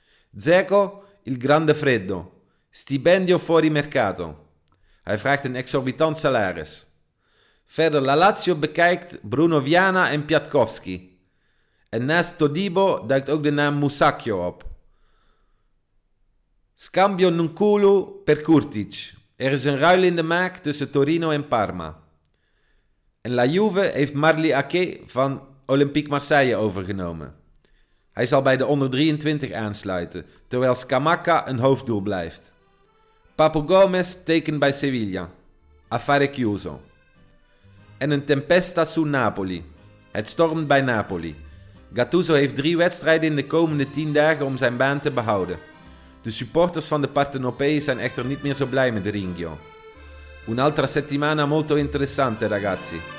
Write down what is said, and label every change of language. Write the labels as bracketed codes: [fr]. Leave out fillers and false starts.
[it] Dzeko, il grande freddo. Stipendio fuori mercato. [nl] Hij vraagt een exorbitant salaris. Verder La Lazio bekijkt Bruno Viana en Piatkowski. En naast Todibo duikt ook de naam Musacchio op. [it] Scambio Nunculu per Kurtic. [nl] Er is een ruil in de maak tussen Torino en Parma. En La Juve heeft Marli Ake van Olympique Marseille overgenomen. Hij zal bij de onder 23 aansluiten, terwijl Scamacca een hoofddoel blijft. Papu Gomez tekent bij Sevilla. [it] Affare chiuso. [nl] En een [it] tempesta su Napoli. [nl] Het stormt bij Napoli. Gattuso heeft 3 wedstrijden in de komende 10 dagen om zijn baan te behouden. De supporters van de Partenopei zijn echter niet meer zo blij met Ringio. [it] Un'altra settimana molto interessante, ragazzi.